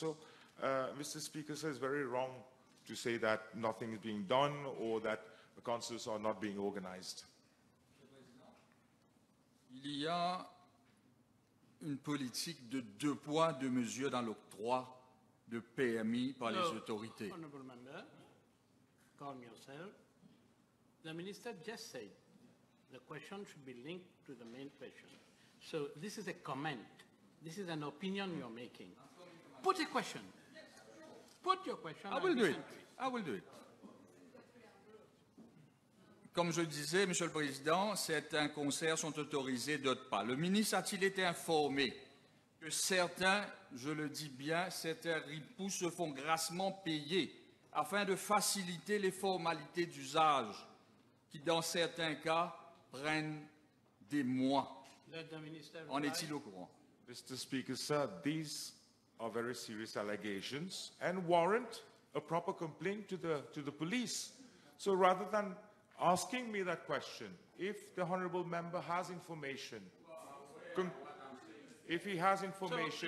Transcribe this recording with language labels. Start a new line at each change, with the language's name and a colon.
English: So, Mr. Speaker, sir, it's very wrong to say that nothing is being done or that the concerts are not being organized.
French: Il y a une politique de deux poids, deux mesures dans l'octroi de PMI par les autorités.
English: Honourable Member, calm yourself. The Minister just said the question should be linked to the main question. So this is a comment. This is an opinion you're making. Put a question. Put your question. I will do it.
French: Comme je disais, Monsieur le Président, certains concerts sont autorisés, d'autres pas. Le ministre a-t-il été informé que certains, je le dis bien, certains ripoux se font grassement payer afin de faciliter les formalités d'usage qui, dans certains cas, prennent des mois? En est-il au courant?
English: Mr. Speaker, sir, these are very serious allegations and warrant a proper complaint to the police. So rather than asking me that question, if the Honourable Member has information, if he has information.